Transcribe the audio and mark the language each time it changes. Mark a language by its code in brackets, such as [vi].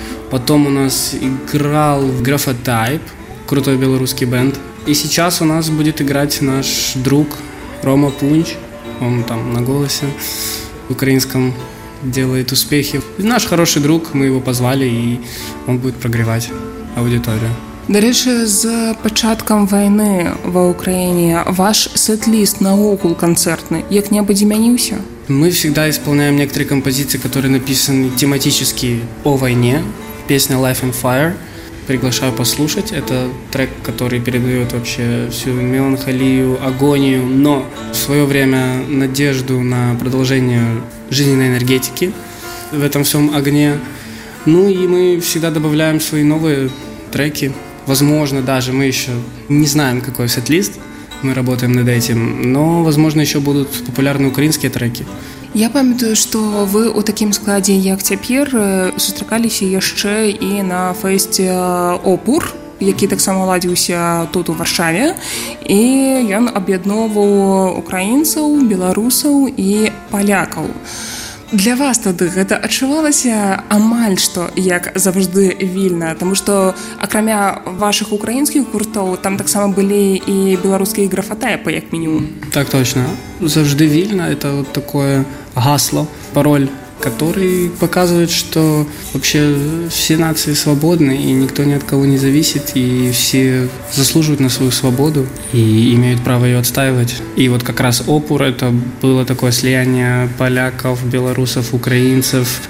[ru] Потом у нас играл Graphotype, крутой белорусский бенд. И сейчас у нас будет играть наш друг Рома Пунч. Он там на голосе в украинском делает успехи. И наш хороший друг, мы его позвали, и он будет прогревать аудиторию. [be] Дарэчы, з пачаткам вайны ва Украіне ваш сет-ліст наогул канцэртны як-небудзь змяніўся? [ru] Мы всегда исполняем некоторые композиции, которые написаны тематически о войне. Песня «Life and Fire» приглашаю послушать. Это трек, который передает вообще всю меланхолию, агонию, но в свое время надежду на продолжение жизненной энергетики в этом всем огне. Ну и мы всегда добавляем свои новые треки. Возможно, даже мы еще не знаем, какой сет-лист, мы работаем над этим, но, возможно, еще будут популярные украинские треки. [be] Я памятаю, что вы у таким складе, як цяпер, сустракаліся яшчэ и на фэсте «Опур», які так само ладзіўся тут, у Варшаве, і ён аб'ядноваў украінцаў, беларусаў і палякаў. Для вас тады гэта адчувалася амаль што як «Завжды Вільна», таму што акрамя вашых украінскіх гуртоў там таксама былі і беларускія Graphotype, як мінімум. [ru] Так точно. «Завжды Вільна» — это вот такое гасло, пароль, который показывает, что вообще все нации свободны, и никто ни от кого не зависит, и все заслуживают на свою свободу и имеют право ее отстаивать. И вот как раз «Опур» — это было такое слияние поляков, белорусов, украинцев.